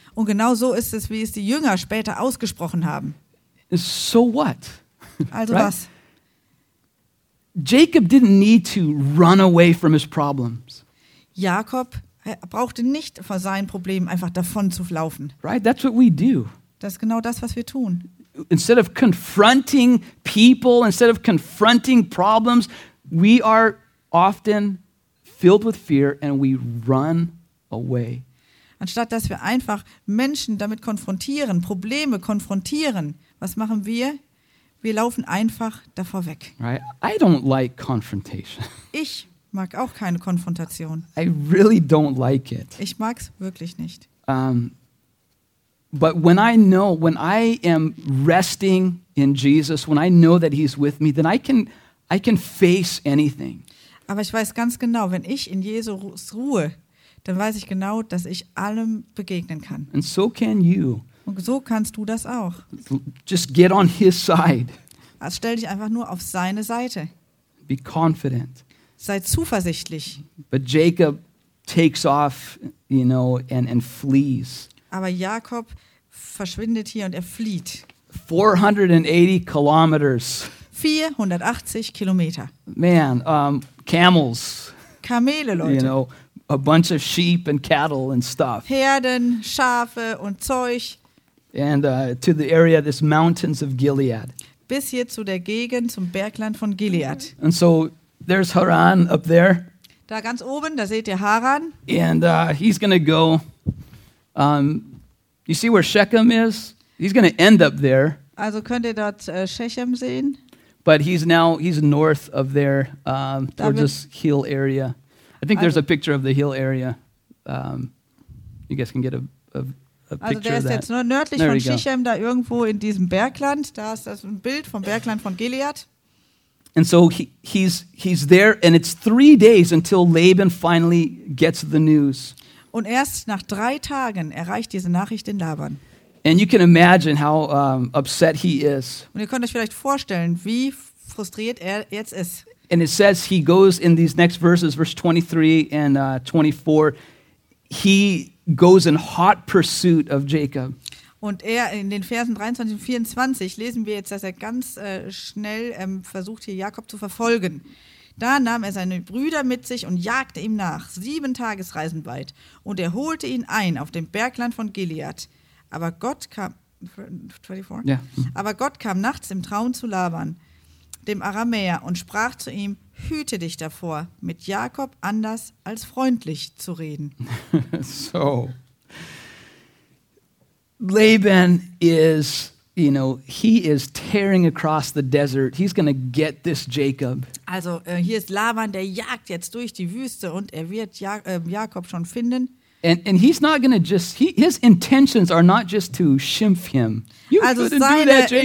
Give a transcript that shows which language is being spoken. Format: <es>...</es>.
<de>Und genau so ist es, wie es die Jünger später ausgesprochen haben.</de> <en>So what?</en> <de>Also right? Was?</de> <en>Jacob didn't need to run away from his problems.</en> <de>Jakob brauchte nicht vor seinen Problemen einfach davon zu laufen.</de> <en>Right, that's what we do.</en> <de>Das ist genau das, was wir tun.</de> <en>Instead of confronting people, instead of confronting problems, we are often filled with fear and we run away.</en> <de>Anstatt dass wir einfach Menschen damit konfrontieren, Probleme konfrontieren, was machen wir? Wir laufen einfach davor weg.</de> <en>Right. I don't like confrontation.</en> <de>Ich mag auch keine Konfrontation.</de> <en>I really don't like it.</en> <de>Ich mag's wirklich nicht.</de> <en>But when I know, when I am resting in Jesus, when I know that he's with me, then I can face anything.</en> <de>Aber ich weiß ganz genau, wenn ich in Jesus ruhe, dann weiß ich genau, dass ich allem begegnen kann.</de> <en>And so can you.</en> <de>Und so kannst du das auch.</de> <en>Just get on his side.</en> <de>Also stell dich einfach nur auf seine Seite.</de> <en>Be confident.</en> <de>Sei zuversichtlich.</de> <en>But Jacob takes off, you know, and flees.</en> <de>Aber Jakob verschwindet hier und er flieht.</de> <en>480 kilometers.</en> <de>480 Kilometer.</de> <en>Man, camels.</en> <de>Kamele, Leute.</de> <en>You know. A bunch of sheep and cattle and stuff.</en> <de>Herden, Schafe und Zeug.</de> <en>And to the area, this mountains of Gilead.</en> <de>Bis hier zu der Gegend, zum Bergland von Gilead.</de> <en>And so there's Haran up there.</en> <de>Da ganz oben, da seht ihr Haran.</de> <en>And he's gonna go. You see where Shechem is? He's gonna end up there.</en> <de>Also könnt ihr dort Shechem sehen.</de> <en>But he's north of there, towards this hill area. I think there's a picture of the hill area. You guys can get a picture of that.</en> <de>Also der ist jetzt nördlich von Shechem, da irgendwo in diesem Bergland. Da ist das ein Bild vom Bergland von Gilead.</de> <en>And so he's there, and it's 3 days until Laban finally gets the news.</en> <de>Und erst nach 3 Tagen erreicht diese Nachricht den Laban.</de> <en>And you can imagine how upset he is.</en> <de>Und ihr könnt euch vielleicht vorstellen, wie frustriert er jetzt ist.</de> <en>And it says he goes in these next verses, verse 23 and 24, he goes in hot pursuit of Jacob.</en> <de>Und in den Versen 23 und 24 lesen wir jetzt, dass er ganz schnell versucht, hier Jakob zu verfolgen. Da nahm er seine Brüder mit sich und jagte ihm nach, 7 Tagesreisen weit. Und er holte ihn ein auf dem Bergland von Gilead. Aber Gott kam, 24?</de> <en>Yeah.</en> <de>Aber Gott kam nachts im Traum zu Laban, dem Aramäer, und sprach zu ihm, hüte dich davor, mit Jakob anders als freundlich zu reden.</de> <en>So, Laban is, you know, he is tearing across the desert. He's gonna get this Jacob.</en> <de>Also, hier ist Laban, der jagt jetzt durch die Wüste und er wird Jakob schon finden.</de> <en>And he's not gonna just, his intentions are not just to schimpf him. You also seine do that, Jacob.</en>